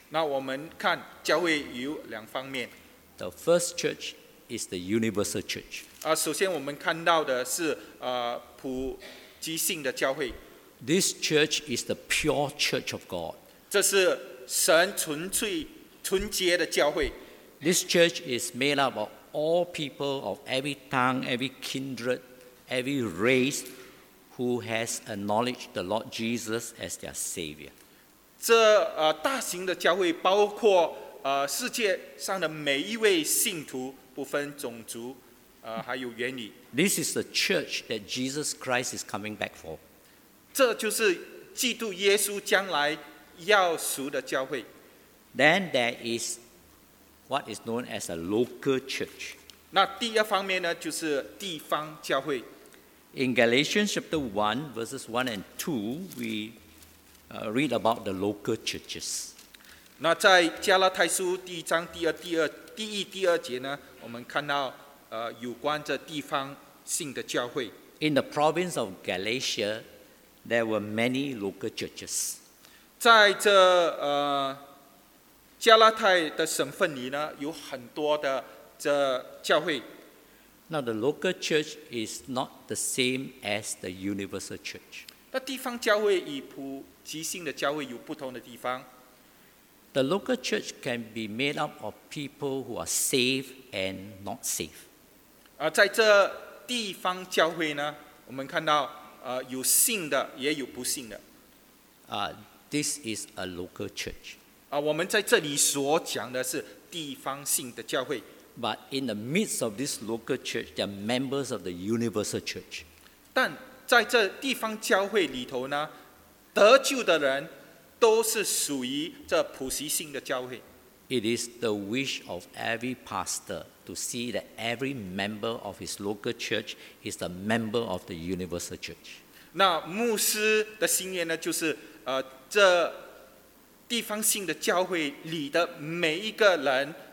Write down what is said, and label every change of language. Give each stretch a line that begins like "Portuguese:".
Chinese: 那我们看教会有两方面。
English: The first church is the universal church.
Chinese: 首先我们看到的是普及性的教会。
English: This church is the pure church of God.
Chinese: 这是神纯洁的教会。
English: This church is made up of all people of every tongue, every kindred, every race. Who has acknowledged the Lord Jesus as their Savior?
Chinese: 这大型的教会包括世界上的每一位信徒，不分种族，还有原理。
English: This is the church that Jesus Christ is coming back for.
Chinese: 这就是基督耶稣将来要赎的教会。
English: Then there is what is known as a local church.
Chinese: 那第二方面呢，就是地方教会。
English: In Galatians chapter 1, verses 1 and 2, we read about the local churches.
Chinese: 那在加拉太书第一章第一、第二节呢，我们看到有关这地方性的教会。
English: In the province of Galatia, there were many local churches.
Chinese: 在这加拉太的省份里呢，有很多的这教会。
English: Now the local church is not the same as the universal church.
Chinese: 那地方教会与普及性的教会有不同的地方。
English: The local church can be made up of people who are saved and not saved.
Chinese: 在这地方教会呢，我们看到有信的，也有不信的。
English: This is a local church.
Chinese: 我们在这里所讲的是地方性的教会。
English: But in the midst of this local church, there are members of the universal church.
Chinese: 但在这地方教会里头呢，得救的人都是属于这普及性的教会。
English: It is the wish of every pastor to see that every member of his local church is a member of the universal church.
Chinese: 那牧师的心愿呢，就是这地方性的教会里的每一个人。